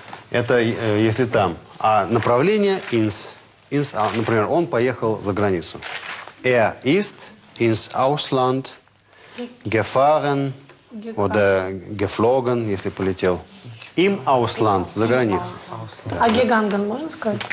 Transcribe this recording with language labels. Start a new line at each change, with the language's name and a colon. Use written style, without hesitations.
Russian: Это если там. А направление
German: ins. Ins,
Russian: например, он поехал за границу.
German: Er ist ins Ausland gefahren oder geflogen,
Russian: если полетел.
German: Im Ausland,
Russian: за границу. А
German: gegangen
Russian: можно сказать?